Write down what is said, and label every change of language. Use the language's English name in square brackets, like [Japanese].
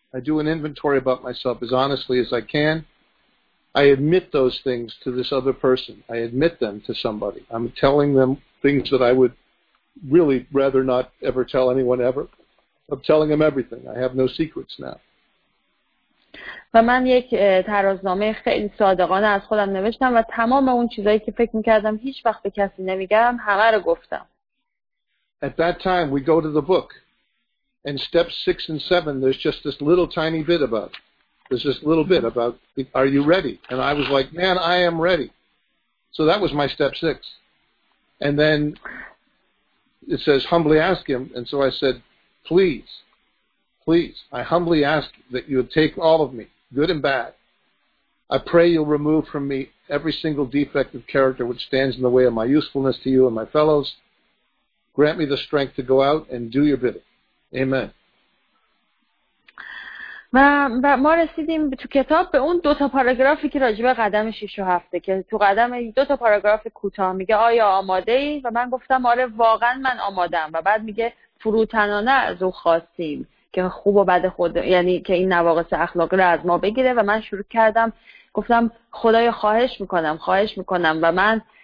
[English] I do an inventory about myself as honestly as I can. I admit those things to this other person. I admit them to somebody. I'm telling them things that I would really rather not ever tell anyone ever. I'm telling them everything. I have no secrets now. [Persian] و من یک ترازنامه خیلی صادقانه از خودم نوشتم و تمام اون چیزایی که فکر می‌کردم هیچ وقت به کسی نمیگم همه رو گفتم. [English] At that time we go to the book. And steps 6 and 7 there's just this little tiny bit about it. There's just a little bit about are you ready? And I was like, man, I am ready. So that was my step 6. And then it says humbly ask him, and so I said, please. Please, I humbly ask that you would take all of me, good and bad. I pray you'll remove from me every single defect of character which stands in the way of my usefulness to you and my fellows. Grant me the strength to go out and do your bidding. Amen. [Persian] و ما رسیدیم تو کتاب به اون دو تا پاراگرافی که راجع به قدم 6 و 7ه که تو قدم دو تا پاراگراف کوتاه میگه آیا آماده ای؟ و من گفتم آره واقعا من آمادم و بعد میگه فروتنانه از او خواستیم که خوب و بد خود یعنی که این نواقص اخلاقی رو از ما بگیره و من شروع کردم گفتم خدایا خواهش میکنم و من